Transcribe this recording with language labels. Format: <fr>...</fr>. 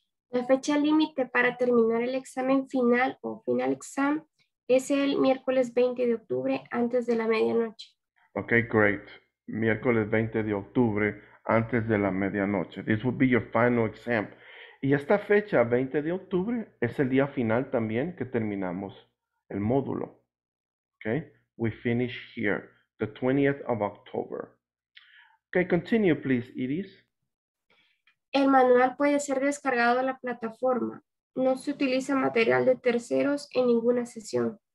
<es>La fecha límite para terminar el examen final o</es> <en>final exam</en> <es>es el miércoles 20 de octubre antes de la medianoche.</es> <en>Ok, great.</en> <es>Miércoles 20 de octubre antes de la medianoche.</es> <en>This will be your final exam.</en> <es>Y esta fecha, 20 de octubre, es el día final también que terminamos el módulo.</es> <en>Ok, we finish here, the 20th of October. Ok, continue please, Iris.</en> <es>El manual puede ser descargado a la plataforma. No se utiliza material de terceros en ninguna sesión.</es>